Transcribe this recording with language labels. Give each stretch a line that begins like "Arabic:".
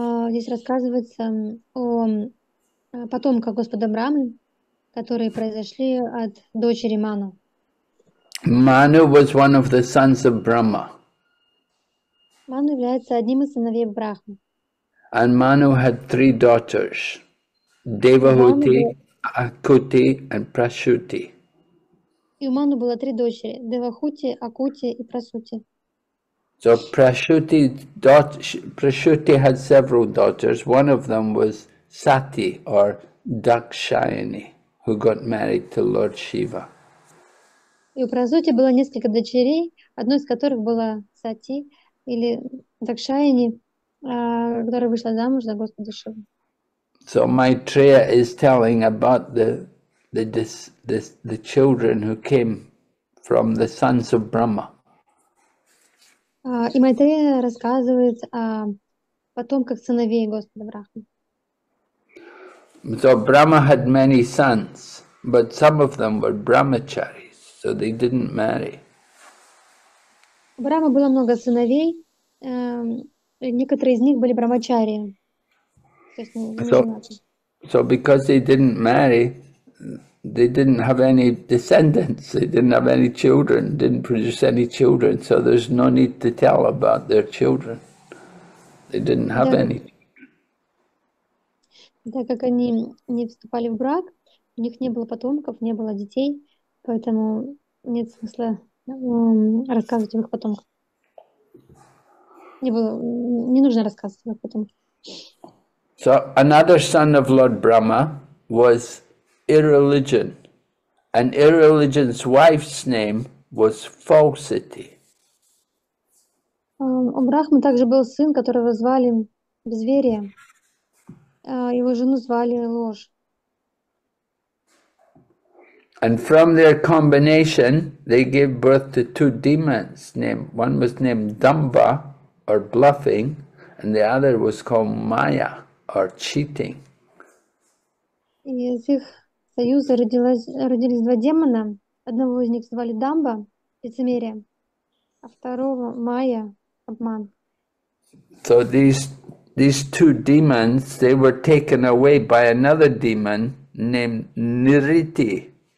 Russian: Здесь рассказывается о потомках господа Брамы, которые произошли от дочери Ману.
English: Manu was one of the sons of Brahma.
Russian: Ману является одним из сыновей Брахмы.
English: And Manu had three daughters,
Russian: И Ману
English: Devahuti, Akuti, and Prasuti.
Russian: было три дочери: Девахути, Акути и Прасути.
English: So Prasuti had several daughters. One of them was Sati or Dakshayani, who got married to Lord Shiva.
Russian: И у Прасути было несколько дочерей, одной из которых была Сати или Дакшайани, которая вышла замуж за Господа Шиву.
English: So Maitreya is telling about the children who came from the sons of Brahma.
Russian: И Майтрея рассказывает о потомках сыновей Господа Брахмы.
English: So Brahma had many sons, but some of them were brahmacharis, so they didn't marry.
Russian: У Брахмы было много сыновей, некоторые из них были брамачари, то есть не
English: So
Russian: женаты.
English: because they didn't marry, they didn't have any descendants, they didn't have any children, didn't produce any children, so there's no need to tell about their children. They didn't have
Russian: Да.
English: any.
Russian: Так как они не вступали в брак, у них не было потомков, не было детей, поэтому нет смысла рассказывать об их потомках. Не нужно рассказывать об этом.
English: So another son of Lord Brahma was irreligion, and irreligion's wife's name was falsity.
Russian: У Брахмы также был сын, которого звали Безверие. Его жену звали Ложь.
English: And from their combination, they gave birth to two demons. One was named Dumba, or bluffing, and the other was called Maya, or cheating.
Russian: И из их союза родились два демона. Одного из них звали Дамба, лицемерие, а второго Майя, обман.
English: So these two demons, they were taken away by another demon named Niriti.